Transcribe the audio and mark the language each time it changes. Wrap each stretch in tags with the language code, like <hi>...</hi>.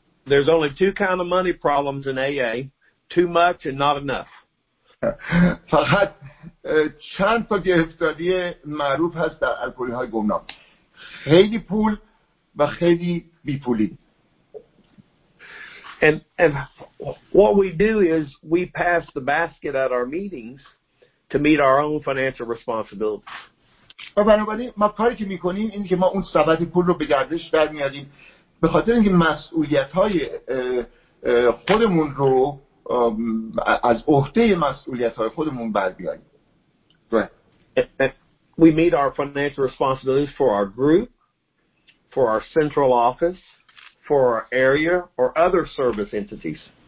<en>There's only two kind of money problems in AA, too much and not enough.</en> <fa>فقط چند تا گرفتاری معروف هست در الکلی های گمنام، خیلی پول و خیلی بی پولی.</fa> <en>And what we do is we pass the basket at our meetings to meet our own financial responsibilities.</en> <fa>و بنابراین ما کاری که میکنیم اینه که ما اون سبد پول رو به گردش برمیاریم به خاطر اینکه مسئولیت های خودمون رو از عهده مسئولیت های خودمون برمیاریم.</fa> <en>We meet our financial responsibilities for our group, for our central office, for our area or other service entities.</en>